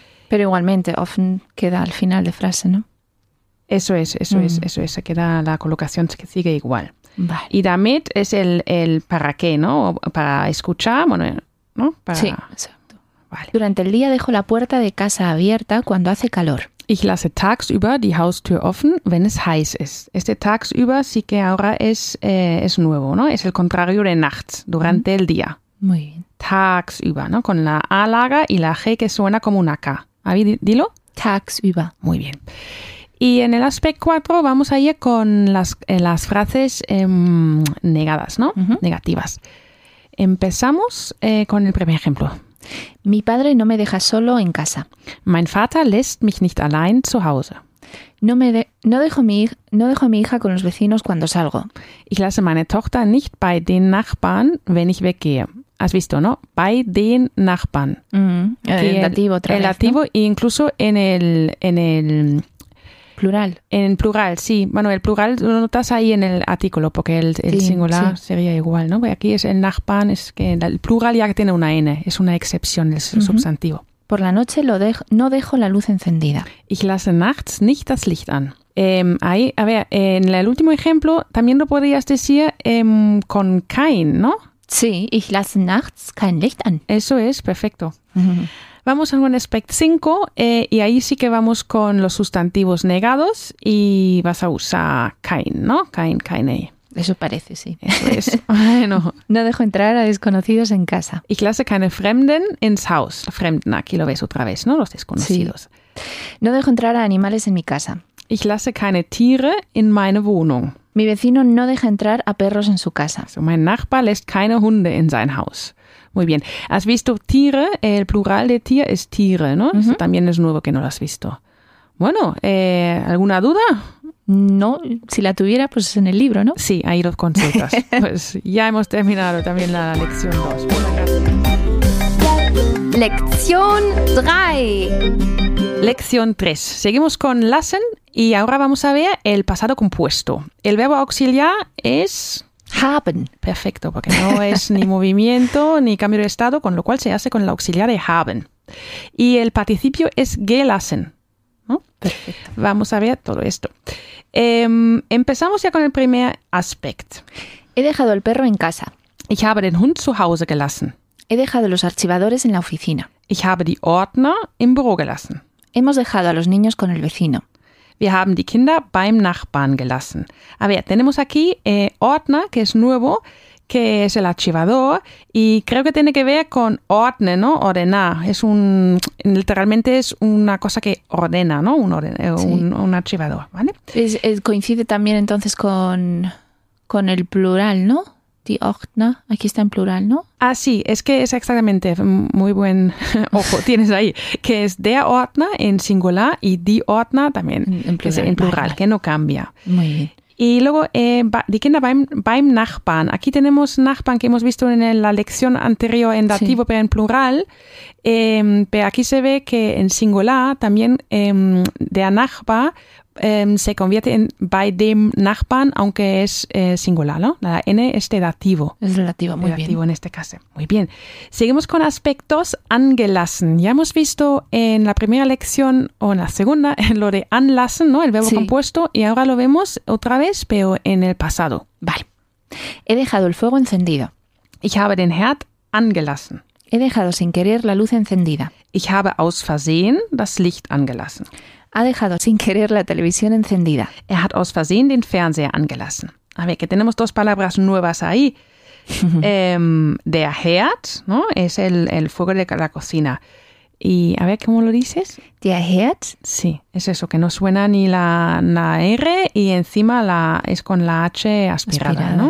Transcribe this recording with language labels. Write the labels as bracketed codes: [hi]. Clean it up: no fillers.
[es] Pero igualmente, often queda al final de frase, ¿no? Eso es. Se queda la colocación, que sigue igual. Vale. Y damit es el para qué, ¿no? Para escuchar, bueno, ¿no? Para... Sí, exacto. Vale. Durante el día dejo la puerta de casa abierta cuando hace calor. [de] Ich lasse tagsüber die Haustür offen, wenn es heiß ist. [es] Este tagsüber sí que ahora es nuevo, ¿no? Es el contrario de nachts, durante el día. Muy bien. Tagsüber, ¿no? Con la A larga y la G que suena como una K. Avi, dilo. [de] Tagsüber. [es] Muy bien. Y en el aspect 4 vamos a ir con las frases negadas, ¿no? Uh-huh. Negativas. Empezamos con el primer ejemplo. Mi padre no me deja solo en casa. [de] Mein Vater lässt mich nicht allein zu Hause. [es] No dejo a mi hija con los vecinos cuando salgo. [de] Ich lasse meine Tochter nicht bei den Nachbarn, wenn ich weggehe. [es] Has visto, ¿no? [de] Bei den Nachbarn. [es] Mm-hmm. El dativo otra vez. El dativo, ¿no? Incluso en el plural. En el plural, sí. Bueno, el plural lo notas ahí en el artículo, porque el singular sí. Sería igual, ¿no? Porque aquí es el Nachbarn, es que el plural ya tiene una N, es una excepción el mm-hmm. Substantivo. Por la noche no dejo la luz encendida. [de] Ich lasse nachts nicht das Licht an. [es] En el último ejemplo también lo podrías decir con kein, ¿no? [de] Sí, ich lasse nachts kein Licht an. [es] Eso es, perfecto. Vamos a un aspect 5 y ahí sí que vamos con los sustantivos negados y vas a usar kein, ¿no? [de] Kein, keine. [es] Eso parece, sí. Eso es. Bueno. No dejo entrar a desconocidos en casa. [de] Ich lasse keine Fremden ins Haus. [es] Fremden, aquí lo ves otra vez, ¿no? Los desconocidos. Sí. No dejo entrar a animales en mi casa. [de] Ich lasse keine Tiere in meine Wohnung. [es] Mi vecino no deja entrar a perros en su casa. [de] So, mein Nachbar lässt keine Hunde in sein Haus. [es] Muy bien. Has visto Tiere, el plural de Tier es Tiere, ¿no? Uh-huh. Eso también es nuevo que no lo has visto. Bueno, ¿alguna duda? No, si la tuviera, pues en el libro, ¿no? Sí, ahí lo consultas. Pues ya hemos terminado también la lección 2. Lección 3. Lección 3. Seguimos con lassen y ahora vamos a ver el pasado compuesto. El verbo auxiliar es... [de] haben. [es] Perfecto, porque no es ni movimiento ni cambio de estado, con lo cual se hace con el auxiliar de haben. Y el participio es gelassen. Perfecto. Vamos a ver todo esto. Empezamos ya con el primer aspecto. He dejado el perro en casa. [de] Ich habe den Hund zu Hause gelassen. [es] He dejado los archivadores en la oficina. [de] Ich habe die Ordner im Büro gelassen. [es] Hemos dejado a los niños con el vecino. [de] Wir haben die Kinder beim Nachbarn gelassen. [es] A ver, tenemos aquí Ordner, que es nuevo, que es el archivador, y creo que tiene que ver con ordne, ¿no? Ordenar. Es un, literalmente es una cosa que ordena, ¿no? Un, orden, sí. un archivador, ¿vale? Es, coincide también entonces con el plural, ¿no? [de] Die Ordner, [es] aquí está en plural, ¿no? Ah, sí, es que es exactamente, muy buen ojo tienes ahí, que es der Ordner en singular y die Ordner también en plural, que no cambia. Muy bien. Y luego, [de] die Kinder beim Nachbarn. [es] Aquí tenemos Nachbarn que hemos visto en la lección anterior en dativo, sí. Pero en plural. Pero aquí se ve que en singular también der Nachbar se convierte en [de] bei dem Nachbarn, [es] aunque es singular, ¿no? La N es de dativo. Es relativo, muy relativo Relativo en este caso. Muy bien. Seguimos con aspectos angelassen. Ya hemos visto en la primera lección o en la segunda lo de anlassen, ¿no? El verbo, sí, compuesto. Y ahora lo vemos otra vez, pero en el pasado. Vale. He dejado el fuego encendido. [de] Ich habe den Herd angelassen. [es] He dejado sin querer la luz encendida. [de] Ich habe aus Versehen das Licht angelassen. [es] Ha dejado sin querer la televisión encendida. [de] Er hat aus Versehen den Fernseher angelassen. [es] A ver, que tenemos dos palabras nuevas ahí. [de] der Herd, [es] ¿no? Es el fuego de la cocina. Y a ver, ¿cómo lo dices? [de] Der Herd. [es] Sí, es eso, que no suena ni la R y encima es con la H aspirada, ¿no?